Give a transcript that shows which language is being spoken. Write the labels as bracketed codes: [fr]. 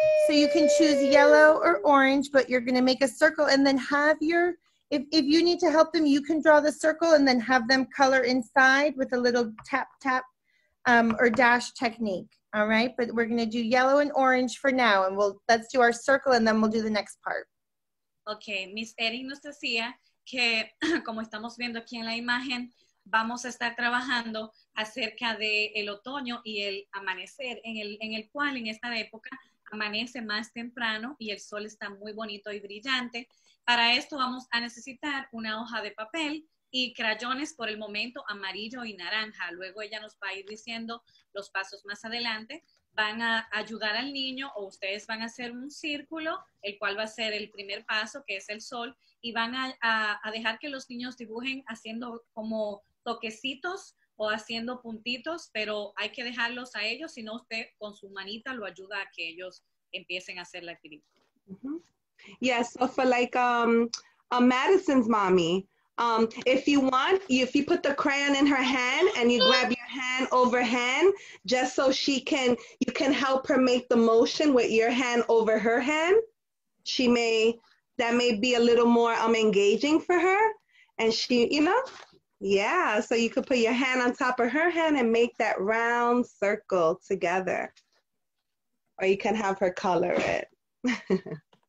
[en] So you can choose yellow or orange, but you're going to make a circle and then have your, if you need to help them, you can draw the circle and then have them color inside with a little tap, tap, or dash technique. All right. But we're going to do yellow and orange for now. And we'll, let's do our circle and then we'll do the next part. Okay. [es] Miss Erin nos decía que, como estamos viendo aquí en la imagen, vamos a estar trabajando acerca de el otoño y el amanecer, en el cual en esta época amanece más temprano y el sol está muy bonito y brillante. Para esto vamos a necesitar una hoja de papel y crayones por el momento amarillo y naranja. Luego ella nos va a ir diciendo los pasos más adelante. Van a ayudar al niño o ustedes van a hacer un círculo, el cual va a ser el primer paso, que es el sol, y van a dejar que los niños dibujen haciendo como toquecitos o haciendo puntitos, pero hay que dejarlos a ellos, si no usted con su manita lo ayuda a que ellos empiecen a hacer la actividad. Mm-hmm. [en] Yes, yeah, so for like a Madison's mommy, if you want, if you put the crayon in her hand and you grab your hand over hand, just so she can, you can help her make the motion with your hand over her hand, she may, that may be a little more engaging for her, and she, you know, yeah, so you could put your hand on top of her hand and make that round circle together, or you can have her color it.